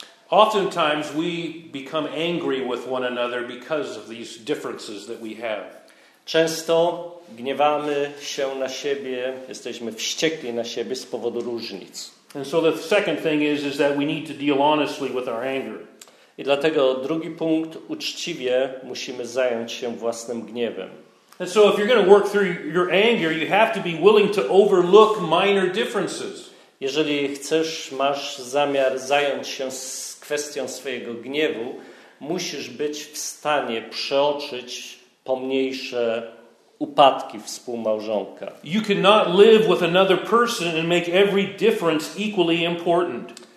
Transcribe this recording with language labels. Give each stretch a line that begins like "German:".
English: Oftentimes we become angry with one another because of these differences that we have.
Polish: Często gniewamy się na siebie, jesteśmy wściekli na siebie z powodu różnic.
English: And so the second thing is that we need to deal honestly with our anger.
Polish: I dlatego drugi punkt, uczciwie musimy zająć się własnym gniewem.
English: And so if you're going to work through your anger, you have to be willing to overlook minor differences.
Polish: Jeżeli chcesz, masz zamiar zająć się z kwestią swojego gniewu, musisz być w stanie przeoczyć pomniejsze upadki współmałżonka.
English: You cannot live with another person and make every difference equally important.